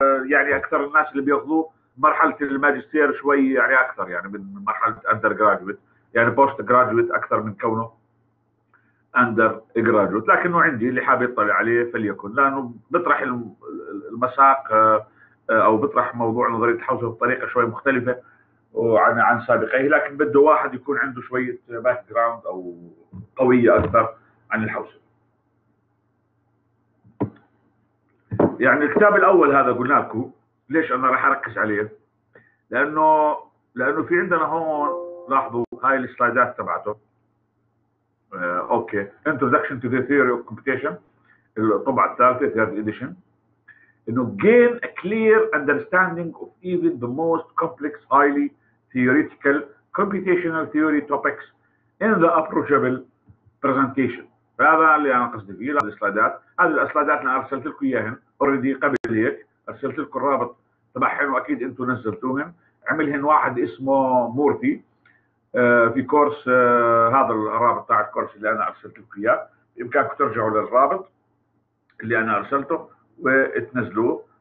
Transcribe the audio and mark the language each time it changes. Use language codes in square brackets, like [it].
[ar] يعني أكثر الناس اللي بيأخذوه مرحلة الماجستير شوي يعني أكثر يعني من مرحلة أندر جراجويت يعني بوست جراجويت أكثر من كونه أندر جراجويت، لكنه عندي اللي حاب يطلع عليه فليكن، لأنه بطرح المساق أو بطرح موضوع نظرية الحوزة بطريقة شوي مختلفة عن سابقه، لكن بده واحد يكون عنده شوية باك جراوند أو قوية أكثر عن الحوزة. يعني الكتاب الأول هذا قلنا لكم ليش أنا راح أركز عليه، لأنه في عندنا هون لاحظوا هاي السلايدات تبعته أوكي [en] Introduction to the Theory of Computation [ar] الطبعة الثالثة [en] third edition إنه gain a clear understanding of even the most complex highly theoretical computational theory topics in the approachable presentation. [ar] هذا اللي أنا قصدي فيه السلايدات، هذه السلايدات أنا أرسلت لكم إياهن أوريدي قبل هيك، أرسلت لكم الرابط تبعهن وأكيد أنتم نزلتوهن، عملهن واحد اسمه مورتي في كورس، هذا الرابط تاع الكورس اللي أنا أرسلت لكم إياه، بإمكانكم ترجعوا للرابط اللي أنا أرسلته وتنزلوه.